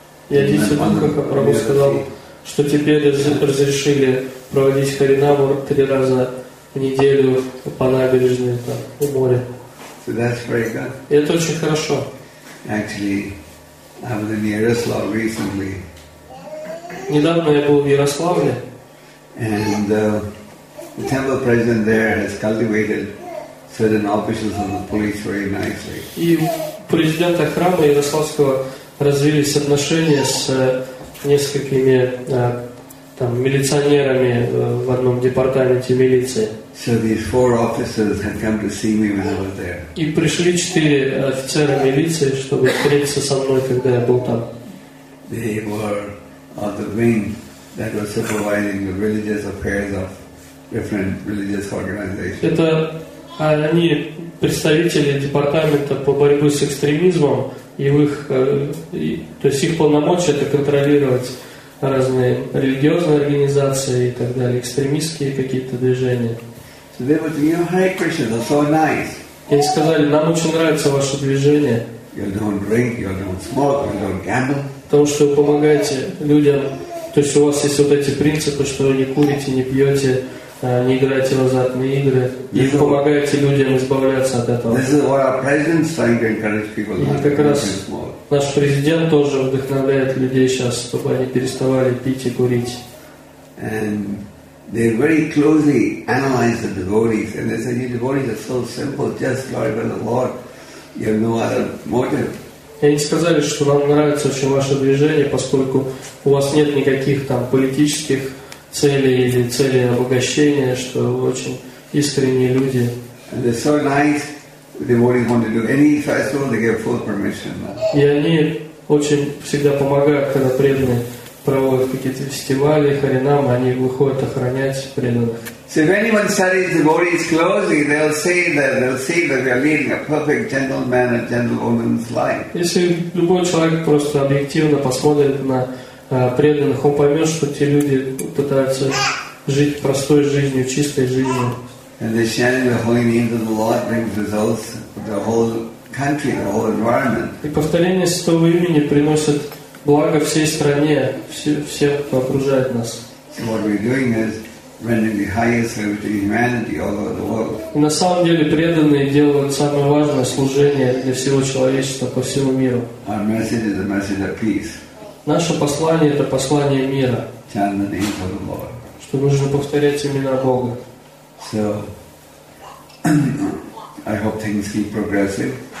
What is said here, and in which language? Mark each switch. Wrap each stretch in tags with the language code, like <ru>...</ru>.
<ru>Я Адитья Дукха Капрабху сказал, что теперь разрешили проводить харинаму три раза в неделю по набережной там, у моря.</ru> <en>So that's very good.</en> <ru>И это очень хорошо.</ru> <en>Actually, I was in Yaroslavl recently.</en> <ru>Недавно я был в Ярославле.</ru> <en>And the temple president there has cultivated certain officials of the police very nicely.</en> <ru>И президента храма Ярославского развились отношения с несколькими там милиционерами в одном департаменте милиции.</ru> <en>So these four officers had come to see me when I was there.</en> <ru>И пришли четыре офицера милиции, чтобы встретиться со мной, когда я был там.</ru> <en>They were on the wing that was supervising the religious affairs of different religious organizations.</en> <ru>Это они представители департамента по борьбе с экстремизмом, и в их, то есть их полномочия это контролировать разные религиозные организации и так далее, экстремистские какие-то движения.</ru> <en>So they were saying, "Hare Krishna, that's so nice."</en> <ru>И они сказали: "Нам очень нравится ваше движение."</ru> <en>You don't drink, you don't smoke, you don't gamble.</en> <ru>Потому что вы помогаете людям, то есть у вас есть вот эти принципы, что вы не курите, не пьете, не играете в азартные игры, и вы помогаете людям избавляться от этого.</ru> <en>This is what our president's trying to encourage people to do.</en> <ru>И как раз наш президент тоже вдохновляет людей сейчас, чтобы они переставали пить и курить.</ru> <en>And they very closely analyze the devotees, and they say, "You devotees are so simple, just glorifying the Lord. You have no other motive."</en> <ru>И они сказали, что нам нравится очень ваше движение, поскольку у вас нет никаких там политических целей или целей обогащения, что вы очень искренние люди.</ru> <en>So nice, festival,</en> <ru>и они очень всегда помогают, когда преданные проводят какие-то фестивали, харинамы, они выходят охранять преданных.</ru> <en>So if anyone studies the devotees closely, they'll see that we are leading a perfect gentleman and gentlewoman's life.</en> <ru>Если любой человек просто объективно посмотрит на преданных, он поймет, что те люди пытаются жить простой жизнью, чистой жизнью.</ru> <en>And the chanting the holy names of the Lord brings results for the whole country, the whole environment.</en> <ru>И повторение святого имени приносит благо всей стране, всем, кто окружает нас.</ru> <en>So what we're doing is rendering the highest service to humanity all over the world.</en> <ru>На самом деле преданные делают самое важное служение для всего человечества по всему миру.</ru> <en>Our message is a message of peace.</en> <ru>Наше послание это послание мира.</ru> <en>Chant the name of the Lord.</en> <ru>Что нужно повторять имена Бога.</ru> <en>So I hope things keep progressing.</en>